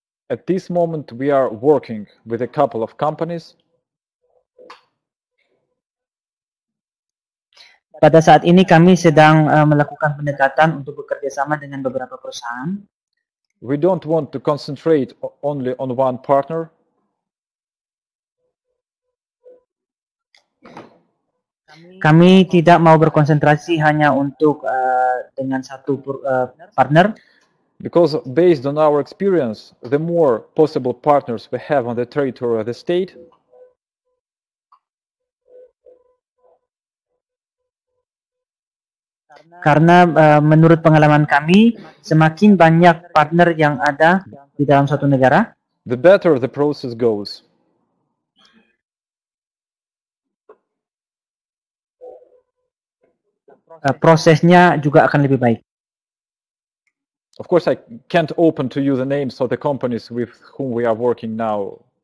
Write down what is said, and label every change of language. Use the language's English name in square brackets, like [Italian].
[English] At this moment, we are working with a couple of companies. [Indonesian] Pada saat ini kami sedang melakukan pendekatan untuk bekerja sama dengan beberapa perusahaan. [English] We don't want to concentrate only on one partner. [Indonesian] Kami tidak mau berkonsentrasi hanya untuk dengan satu partner. [English] Because based on our experience, the more possible partners we have on the territory of the state, [Indonesian] karena menurut pengalaman kami, semakin banyak partner yang ada di dalam suatu negara, [English] the better the process goes. [Indonesian] Prosesnya juga akan lebih baik. [English] Of course, I can't open to you the names of the companies with whom we are working now.